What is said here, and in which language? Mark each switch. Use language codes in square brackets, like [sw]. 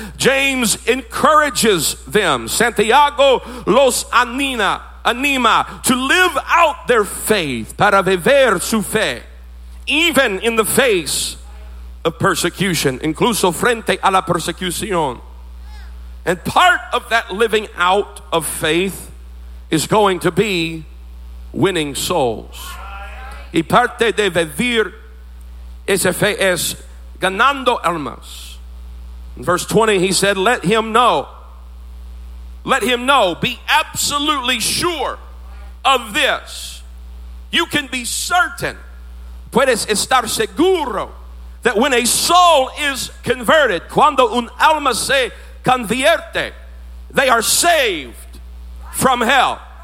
[en] James encourages them. [es] Santiago los anima [en] to live out their faith, [es] para vivir su fe, [en] even in the face of persecution, [es] incluso frente a la persecución. [en] And part of that living out of faith is going to be winning souls. [es] Y parte de vivir esa fe es ganando almas. [en] In verse 20, he said, let him know, be absolutely sure of this. You can be certain, [es] puedes estar seguro, [en] that when a soul is converted, [es] cuando un alma se convierte, [en] they are saved from hell.